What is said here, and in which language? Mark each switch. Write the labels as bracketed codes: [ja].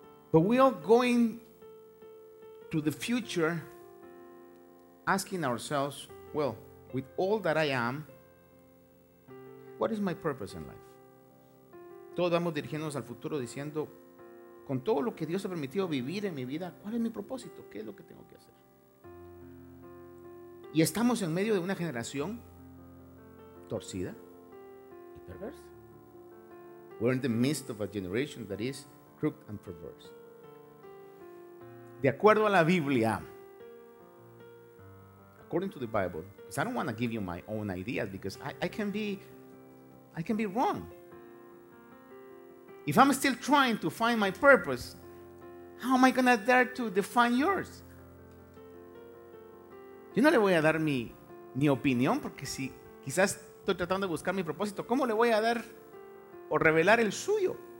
[en] But we are going to the future asking ourselves, well, with all that I am, what is my purpose in life? [es] Todos vamos dirigiéndonos al futuro diciendo, con todo lo que Dios ha permitido vivir en mi vida, ¿cuál es mi propósito? ¿Qué es lo que tengo que hacer? Y estamos en medio de una generación torcida y perversa. [en] We're in the midst of a generation that is crooked and perverse. [es] De acuerdo a la Biblia, [en] according to the Bible, because I don't want to give you my own ideas because I can be wrong. If I'm still trying to find my purpose, how am I going to dare to define yours? [es] Yo no le voy a dar mi opinión porque si quizás estoy tratando de buscar mi propósito, ¿cómo le voy a dar o revelar el suyo?